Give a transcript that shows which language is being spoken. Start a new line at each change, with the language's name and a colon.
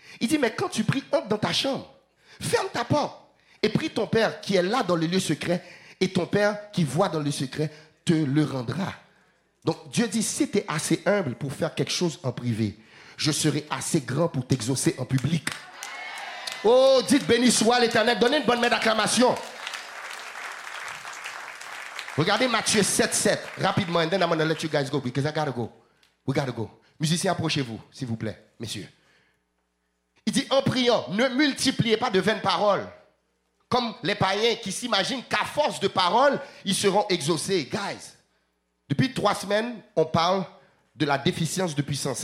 French: Il dit, mais quand tu pries, entre dans ta chambre, ferme ta porte et prie ton père qui est là dans le lieu secret, et ton père qui voit dans le secret te le rendra. Donc Dieu dit, si tu es assez humble pour faire quelque chose en privé, je serai assez grand pour t'exaucer en public. Oh, dites béni soit l'Éternel. Donnez une bonne main d'acclamation. Regardez Matthieu 7:7. Rapidement,
English: and then I'm going to let you guys go because I gotta go. We gotta go.
French: Musiciens, approchez-vous, s'il vous plaît, messieurs. Il dit, en priant, ne multipliez pas de vaines paroles. Comme les païens qui s'imaginent qu'à force de paroles, ils seront exaucés. Guys, depuis 3 semaines, on parle de la déficience de puissance.